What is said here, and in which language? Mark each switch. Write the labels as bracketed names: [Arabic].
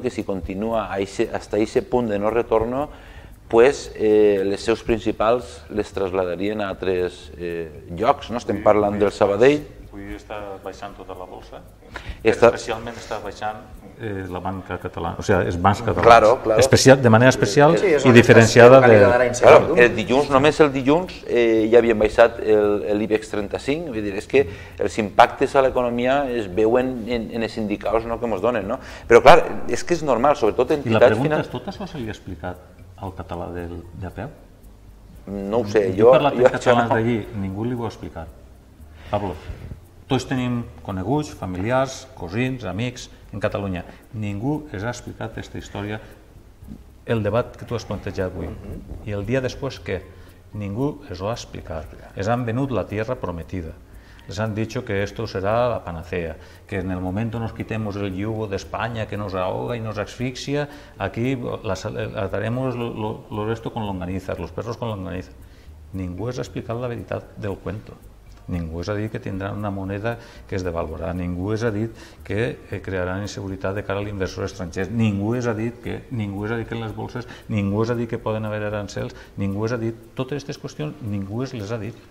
[Catalan] que si continua fins a aquest punt de no retorno, pues, les seus principals les traslladarien a altres llocs. No? Estem parlant del Sabadell. Avui està baixant tota la bolsa, especialment està baixant la banca catalana, o sigui, els bancs catalans. [Spanish] Claro, claro. [Catalan] Especial, de manera especial sí, i diferenciada. De... Claro, el dilluns, només el dilluns, ja havien baixat l'IBEX 35, vull dir, és que els impactes a l'economia es veuen en els indicadors, no, que ens donen. No? Però clar, és que és normal, sobretot entitats finals... I la pregunta és, tot això se li ha explicat al català de peu? No ho sé, jo he parlat en català d'allí, ningú li ho ha explicat. Pablo, tots tenim coneguts, familiars, cosins, amics en Catalunya. Ningú els ha explicat aquesta història, el debat que tu has plantejat avui. I el dia després, què? Ningú els ho ha explicat. Els han venut [Spanish] la tierra prometida. [Catalan] Les han dit que [Spanish] esto [Catalan] serà [Spanish] la panacea, que [Catalan] en el moment que [Spanish] nos quitemos el yugo d'Espanya que nos ahoga i nos asfixia, aquí ataremos lo resto con longanizas, los perros con longanizas. [Catalan] Ningú els ha explicat la veritat del cuento. Ningú els ha dit que tindran una moneda que es devaluarà. Ningú els ha dit que crearan inseguretat de cara a l'inversor estranger. Ningú els ha dit que en les bolses, ningú els ha dit que poden haver arancels, ningú els ha dit... Totes aquestes qüestions ningú els les ha dit.